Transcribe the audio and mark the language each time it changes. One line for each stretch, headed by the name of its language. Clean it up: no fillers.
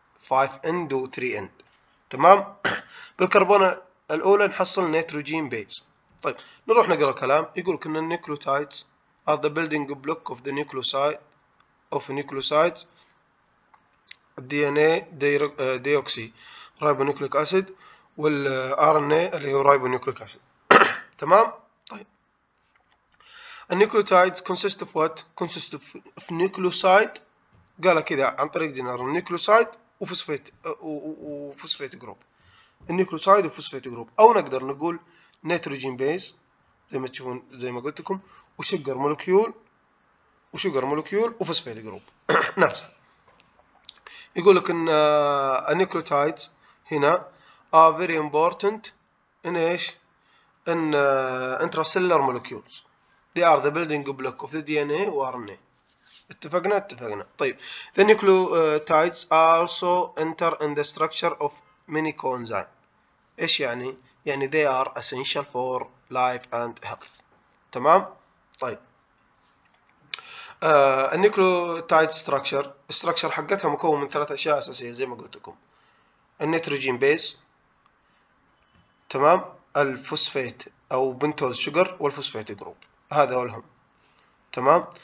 Arabic: 5 اند و 3 اند تمام. بالكربونة الاولى نحصل نيتروجين بيز. طيب نروح نقرا الكلام، يقولك ان النيكلوتايدز
English: are the building block of the nucleoside of nucleosides DNA deoxy ribonucleic acid وال RNA اللي هو ribonucleic acid تمام.
Arabic: طيب النيكلوتايدز
English: consist of what؟ consist of nucleoside،
Arabic: قالها كذا عن طريق دينار، النيكلوسايد وفوسفيت وفوسفيت جروب، النيكلوسايد وفوسفيت جروب، او نقدر نقول نيتروجين بيز زي ما تشوفون زي ما قلت لكم، وشجر مولكيول وشجر مولكيول وفوسفيت جروب نفسها. يقول لك ان النيكلوتايدز هنا
English: are very important in ايش؟ ان intracellular molecules they are the building block of the DNA وRNA.
Arabic: اتفقنا اتفقنا.
English: طيب the nucleotides also enter in the structure of many coenzymes.
Arabic: ايش يعني؟ يعني
English: they are essential for life and health تمام.
Arabic: طيب النيكلوتايد ستراكشر، الستراكشر حقتها مكون من ثلاث اشياء اساسيه زي ما قلت لكم، النيتروجين بيز تمام، الفوسفيت او بنتوز شوجر والفوسفيت جروب، هذا هو لهم تمام.